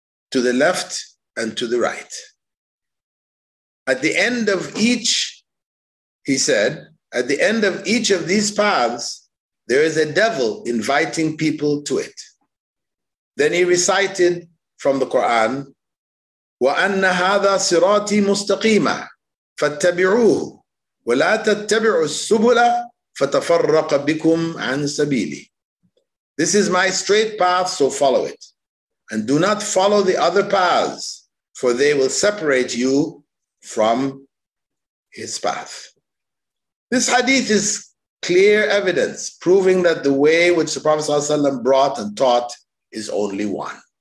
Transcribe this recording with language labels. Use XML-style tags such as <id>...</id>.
<en>To the left and to the right. At the end of each, he said, at the end of each of these paths, there is a devil inviting people to it. Then he recited from the Quran,</en> <ar>وَأَنَّ هَذَا صِرَاطِي مُسْتَقِيمًا فَاتَّبِعُوهُ وَلَا تَتَّبِعُوا السُّبُلَ فَتَفَرَّقَ بِكُمْ عَنْ سَبِيلِي.</ar> <en>This is my straight path, so follow it. And do not follow the other paths, for they will separate you from his path. This hadith is clear evidence proving that the way which the Prophet ﷺ brought and taught is only one.</en>